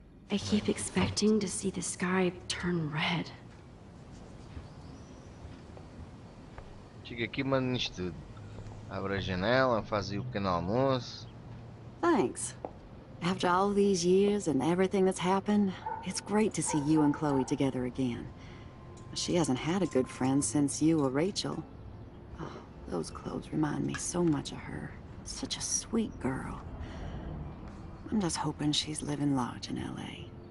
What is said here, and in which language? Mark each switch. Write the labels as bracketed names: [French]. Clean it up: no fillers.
[English] I keep expecting to see the sky turn red. [Portuguese] Chega aqui, manda isto tudo. Abre a janela, faz aí o pequeno almoço. [English] Thanks. After all these years and everything that's happened, it's great to see you and Chloe together again. She hasn't had a good friend since you or Rachel. Oh, those clothes remind me so much of her. Such a sweet girl. I'm just hoping she's living large in LA.